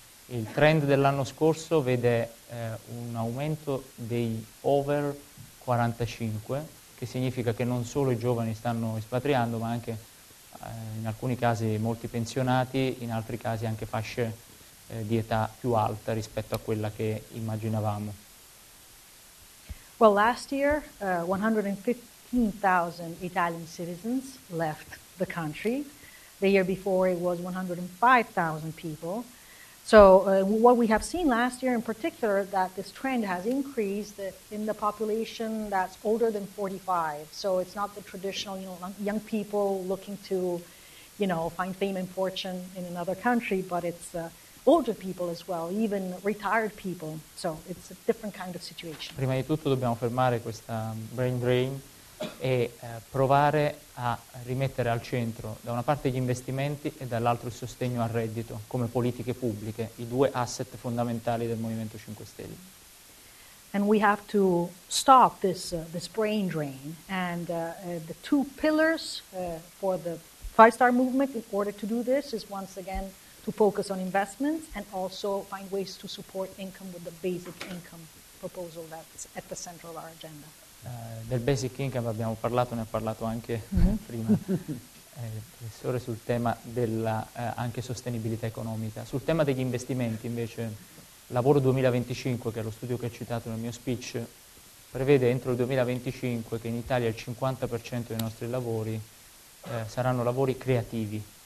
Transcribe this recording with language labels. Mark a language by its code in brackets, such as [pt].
[it] Il trend dell'anno scorso vede un aumento dei over 45, che significa che non solo i giovani stanno espatriando, ma anche in alcuni casi molti pensionati, in altri casi anche fasce di età più alta rispetto a quella che immaginavamo. [en] Well, last year, 115,000 Italian citizens left the country. The year before, it was 105,000 people. So what we have seen last year in particular, that this trend has increased in the population that's older than 45. So it's not the traditional, you know, young people looking to, you know, find fame and fortune in another country, but it's older people as well, even retired people. So it's a different kind of situation. [it] Prima di tutto dobbiamo fermare questa brain drain e provare a rimettere al centro da una parte gli investimenti e dall'altro il sostegno al reddito come politiche pubbliche, i due asset fondamentali del Movimento 5 Stelle. [en] And we have to stop this this brain drain and the two pillars for the Five Star Movement in order to do this is once again to focus on investments and also find ways to support income with the basic income proposal that's at the center of our agenda. [it] Del basic income abbiamo parlato, ne ha parlato anche prima il professore sul tema della anche sostenibilità economica. Sul tema degli investimenti invece, Lavoro 2025, che è lo studio che ho citato nel mio speech, prevede entro il 2025 che in Italia il 50% dei nostri lavori saranno lavori creativi.